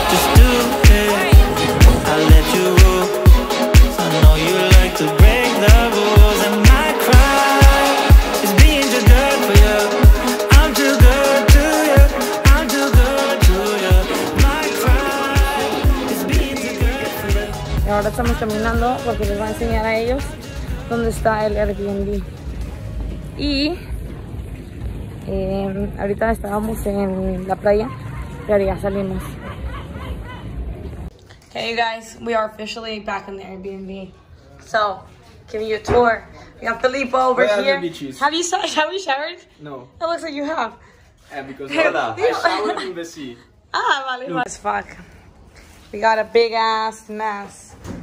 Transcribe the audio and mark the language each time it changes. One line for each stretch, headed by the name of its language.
English: Just do it. I'll let you rule. I know you like to break the rules. And my cry is being too good for you. I'm too good to you. I'm too good to you. My cry is being too good for you.
Spanish: Y ahora estamos caminando porque les voy a enseñar a ellos dónde está el Airbnb. Y ahorita estábamos en la playa, pero ya salimos.
English: Hey you guys, we are officially back in the Airbnb. So, giving you a tour. We have Filippo over where here. The beaches? Have you showered? No. It looks like you have. Yeah, because
Spanish: hola,
English: I showered in the sea.
Spanish: Ah, vale.
English: Fuck. We got a big ass mess.